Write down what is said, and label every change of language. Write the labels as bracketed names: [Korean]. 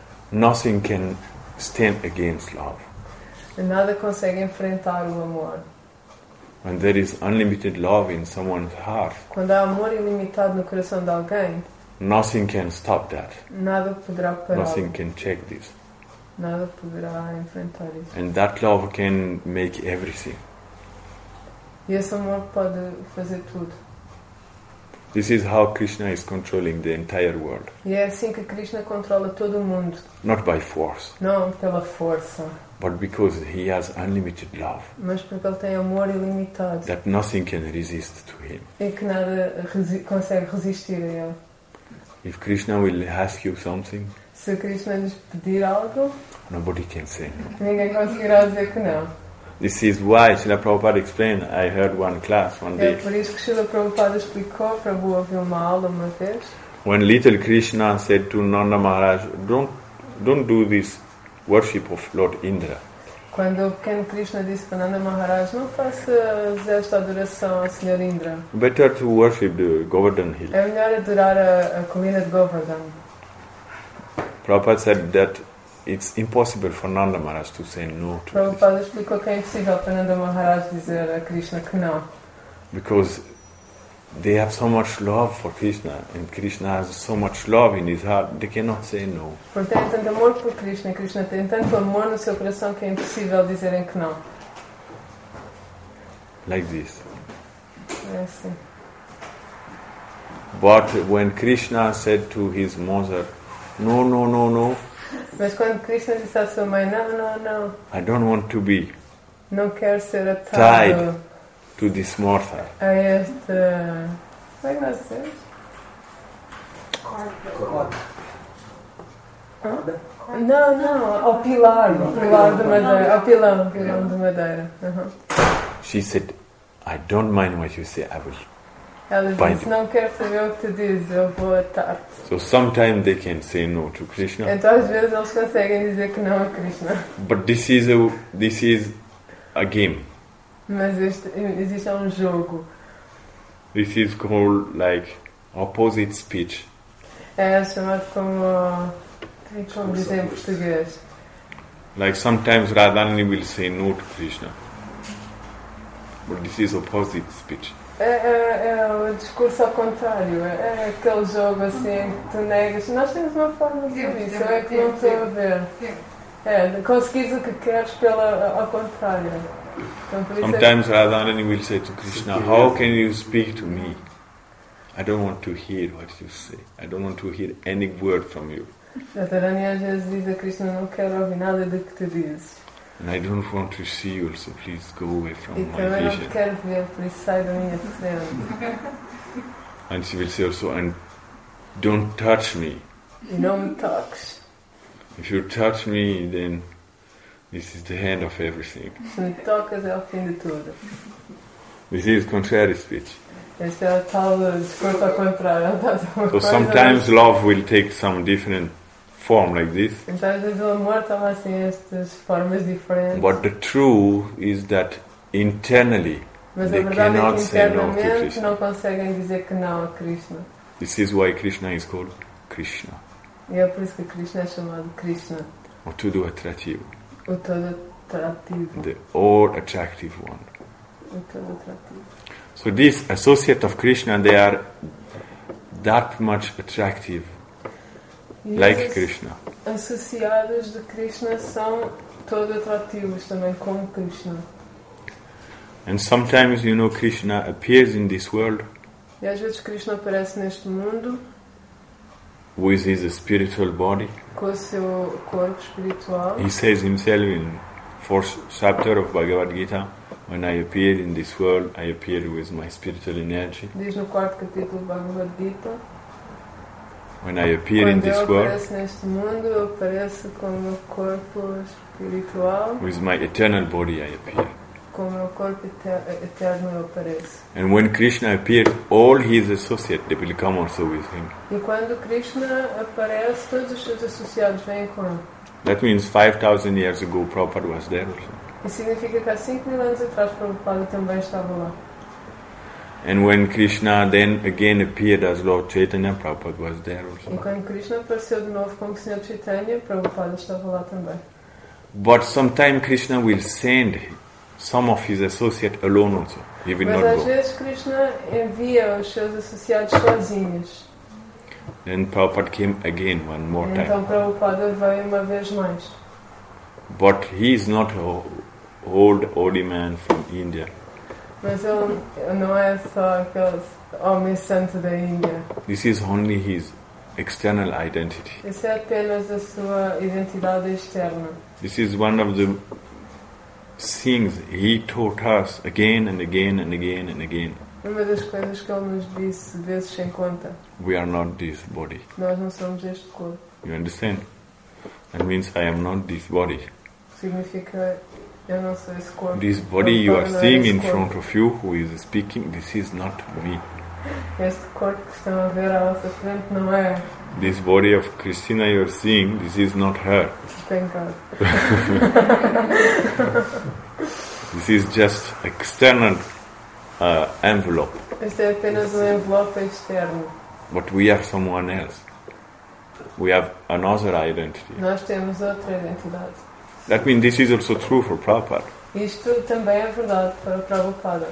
[English] Nothing can stand against love. [Portuguese] Nada consegue enfrentar o amor. [English] When there is unlimited love in someone's heart. [Portuguese] Quando há amor ilimitado no coração de alguém. [English] Nothing can stop that. [Portuguese] Nada poderá parar. [English] Nothing can check this. [Portuguese] Nada poderá enfrentar isso. [English] And that love can make everything. [Portuguese] E esse amor pode fazer tudo. [English] This is how Krishna is controlling the entire world. [Portuguese] É assim que Krishna controla todo o mundo. [English] Not by force. [Portuguese] Não pela força. [English] But because he has unlimited love. [Portuguese] Mas porque ele tem amor ilimitado. [English] That nothing can resist to him. [Portuguese] E que nada consegue resistir a ele. [English] If Krishna will ask you something. [Portuguese] Se Krishna lhes pedir algo. [English] Nobody can say no. [Portuguese] Ninguém conseguirá dizer que não. [English] This is why Srila Prabhupada explained. I heard one class one day. [Portuguese] É por isso que Srila Prabhupada explicou, Prabhu ouviu uma aula uma vez. [English] When little Krishna said to Nanda Maharaj, don't do this worship of Lord Indra. [Portuguese] Quando o pequeno Krishna disse para Nanda Maharaj, não faças esta adoração ao Senhor Indra. [English] Better to worship the Govardhan Hill. [Portuguese] É melhor adorar a colina de Govardhan. [English] Prabhupada said that it's impossible for Nanda Maharaj to say no to Prabhupada this. [Portuguese] Prabhupada explicou que é impossível para Nanda Maharaj dizer a Krishna que não. [English] Because they have so much love for Krishna, and Krishna has so much love in his heart, they cannot say no. [Portuguese] Porque tem tanto amor por Krishna, Krishna tem tanto amor no seu coração que é impossível dizerem que não. [English] Like this. [Portuguese] É assim. [English] But when Krishna said to his mother, no, no, no, no. [Portuguese] Mas quando Krishna disse à sua mãe, não, não, não. [English] I don't want to be. [Portuguese] Não quero ser atado. [English] To this mortal. [Portuguese] A este. Como é que nós dizemos? Corda. Huh? Não, não, ao pilar. Ao pilar de madeira. Ao pilão, pilão de madeira. [English] She said, I don't mind what you say, I will. [Portuguese] Ela disse, não quero saber o que tu dizes, eu vou atar-te. [English] So sometimes they can say no to Krishna. [Portuguese] Então às vezes eles conseguem dizer que não a Krishna. [English] But this is a game. [Portuguese] Mas existe um jogo. [English] This is called like opposite speech. [Portuguese] É chamado como, como dizer em português. [English] Like sometimes Radhani will say no to Krishna. But this is opposite speech. [Portuguese] É o discurso ao contrário. É aquele jogo assim que tu negas. Nós temos uma forma de ver isso. É que não estou a ver. É, conseguires o que queres pela, ao contrário. Então, [English] sometimes Radharani will say to Krishna, how can you speak to me? I don't want to hear what you say. I don't want to hear any word from you. [Portuguese] Radharani às vezes diz a Krishna, não quero ouvir nada do que tu dizes. [English] And I don't want to see you, so please go away from [Portuguese] e [English] my vision. [Portuguese] Não quero ver, [English] please [Portuguese] sai da minha frente. [English] And she will say also, and don't touch me. [Portuguese] Não me toques. [English] If you touch me, then this is the end of everything. [Portuguese] Se me tocas é o fim de tudo. [English] This is contrary speech. [Portuguese] Este é o tal discurso ao contrário. [English] So sometimes love will take some different form like this. [Portuguese] Então às vezes o amor toma assim estas formas diferentes. [English] But the truth is that internally [Portuguese] mas [English] they cannot say no to Krishna. [Portuguese] Mas a verdade é que não conseguem dizer que não a Krishna. This is why Krishna is called Krishna. E é por isso que Krishna é chamado Krishna. O todo atrativo. O todo atrativo. [English] The all attractive one. [Portuguese] O todo atrativo. [English] So these associates of Krishna, they are that much attractive. Like Krishna. [Portuguese] Associados de Krishna são todo atrativos também como Krishna. [English] And sometimes you know Krishna appears in this world. [Portuguese] E às vezes Krishna aparece neste mundo. [English] With his spiritual body. [Portuguese] Com o seu corpo espiritual. [English] He says himself in fourth chapter of Bhagavad Gita, when I appear in this world, I appear with my spiritual energy. [Portuguese] Diz no quarto capítulo do Bhagavad Gita. [English] When I appear in this world, [Portuguese] neste mundo, eu apareço com o meu corpo espiritual. [English] With my eternal body, I appear. [Portuguese] Com o meu corpo eterno, eu apareço. [English] And when Krishna appears, all his associates they will come also with him. [Portuguese] E quando Krishna aparece, todos os seus associados vêm com ele. [English] That means 5,000 years ago, Prabhupada was there also. [Portuguese] Isso significa que há 5,000 anos atrás, Prabhupada também estava lá. [English] And when Krishna then again appeared as Lord Chaitanya, Prabhupada was there also. [Portuguese] E quando Krishna apareceu de novo como Senhor Chaitanya, Prabhupada estava lá também. [English] But sometimes Krishna will send some of his associates alone also. He will [Portuguese] mas [English] not go. [Portuguese] Mas às vezes Krishna envia os seus associados sozinhos. [English] Then Prabhupada came again one more [Portuguese] então, [English] time. [Portuguese] Então Prabhupada veio uma vez mais. [English] But he is not an old man from India. [Portuguese] Mas ele não é só aquele homem santo da Índia. [English] This is only his external identity. [Portuguese] Isso é apenas a sua identidade externa. [English] This is one of the things he taught us again and again and again and again. [Portuguese] Uma das coisas que ele nos disse vezes sem conta. [English] We are not this body. [Portuguese] Nós não somos este corpo. [English] You understand? That means I am not this body. [Portuguese] Significa eu não sou esse corpo. [English] This body you are seeing in front of you who is speaking, this is not me. [Portuguese] Este corpo que estão a ver à vossa frente não é. [English] This body of Christina you are seeing, this is not her. Thank God. This is just external envelope. [Portuguese] Este é apenas um envelope externo. [English] But we are someone else. We have another identity. [Portuguese] Nós temos outra identidade. [English] That means this is also true for Prabhupada. [Portuguese] Isto também é verdade para Prabhupada.